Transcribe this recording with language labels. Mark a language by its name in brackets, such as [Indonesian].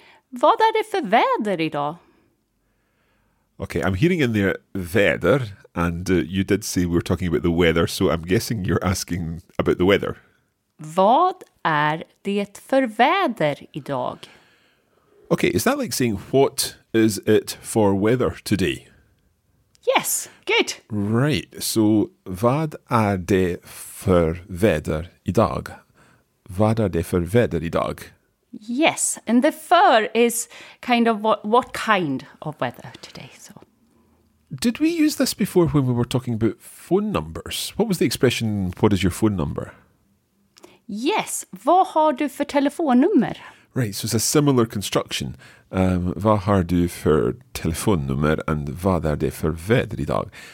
[Swedish] Vad är det för väder idag? [English] Okay, I'm hearing in there väder, and you did say we were talking about the weather, so I'm guessing you're asking about the weather. [Swedish] Vad är det för väder idag? [English] Okay, is that like saying what is it for weather today? Yes, good. Right, so [Swedish] vad är det för väder idag? Vad är det för väder idag? [English] Yes, and the för is kind of what kind of weather today. So, did we use this before when we were talking about phone numbers? What was the expression, what is your phone number? Yes, [Swedish] vad har du för telefonnummer? [English] Right, so it's a similar construction. [Swedish] Vad har du för telefonnummer [English] and [Swedish] vad är det för väder idag?